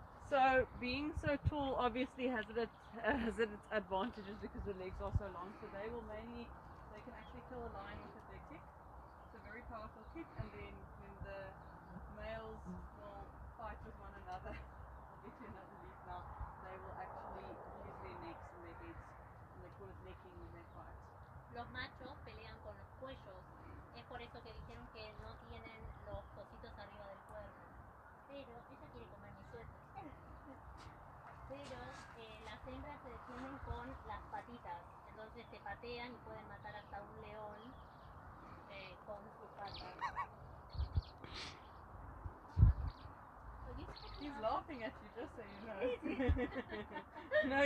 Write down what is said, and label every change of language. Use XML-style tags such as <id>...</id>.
<en>So, being so tall obviously has its advantages because the legs are so long, so they will mainly, they can actually kill a lion with a big kick. It's a very powerful kick, and then when the males will fight with one another, get to another leaf now, they will actually use their necks and their heads, and they call it necking when they fight.</en> <es>Los machos pelean con los cuellos. Es por eso que dijeron que no tienen los cositos arriba del cuerpo. Pero ella quiere comer mi suerte. Pero las hembras se defienden con las patitas. Entonces se patean y pueden matar hasta un león con sus patas.</es> <en>He's laughing at you, just so you know.</en>